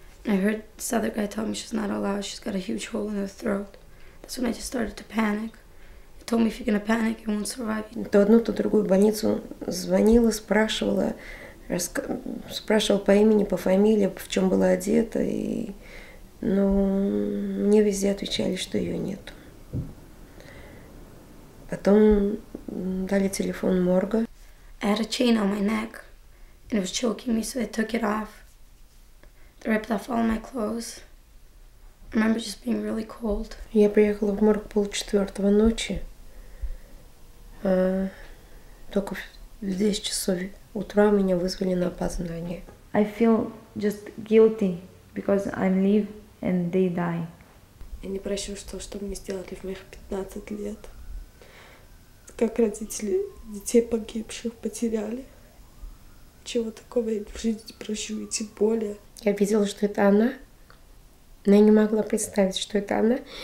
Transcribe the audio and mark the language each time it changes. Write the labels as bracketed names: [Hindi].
[English] And I heard this other guy tell me she's not allowed, she's got a huge hole in her throat. That's when I just started to panic. Told me if you're gonna panic, you won't survive. [Russian] То одну, то другую больницу звонила, спрашивала по имени, по фамилии, в чем была одета, и ну мне везде отвечали, что ее нет. Потом дали телефон морга. [English] I had a chain on my neck, and it was choking me, so they took it off. They ripped off all my clothes. I remember just being really cold. [Russian] Я приехала в морг 3:30 ночи. Только в 10 часов утра меня вызвали на опознание. [English] I feel just guilty because I'm live and they die. [Russian] Я не прощу, что мне сделали в моих 15 лет. Как родители детей погибших потеряли. Чего такого я в жизни не прощу, и тем более. Я видела, что это она, но я не могла представить, что это она.